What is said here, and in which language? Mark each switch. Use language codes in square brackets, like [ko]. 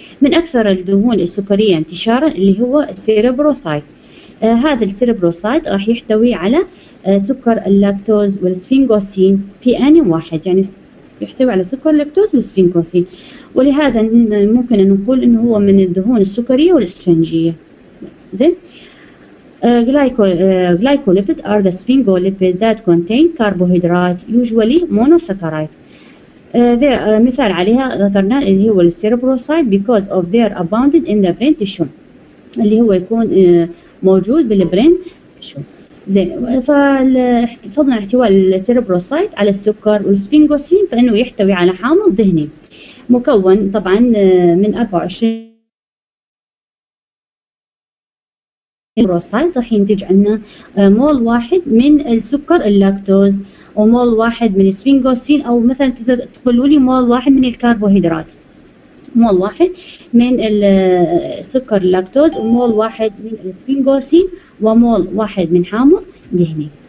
[ar] من اكثر الدهون السكريه انتشارا اللي هو السيريبروسايت, هذا السيريبروسايت راح يحتوي على سكر اللاكتوز والسفينجوسين في آن واحد, يعني يحتوي على سكر اللاكتوز والسفينجوسين, ولهذا ممكن نقول انه هو من الدهون السكرية والاسفنجية. [en] زين glycolipid are the sphingolipid that contain carbohydrate usually monosaccharide, [ar] مثال عليها ذكرنا اللي هو السيريبروسايت [en] because of their abounded in the brain tissue, [ar] اللي هو يكون موجود بالبرين شو زين، فحفظنا احتواء السيربروسايت على السكر والسفينجوسين، فإنه يحتوي على حامض دهني مكون طبعا من 24 سيربروسايت، راح ينتج عنا مول واحد من السكر اللاكتوز، ومول واحد من السفينجوسين، أو مثلا تقولوا لي مول واحد من الكربوهيدرات، مول واحد من السكر اللاكتوز، ومول واحد من السفينجوسين، ومول واحد من حامض دهني.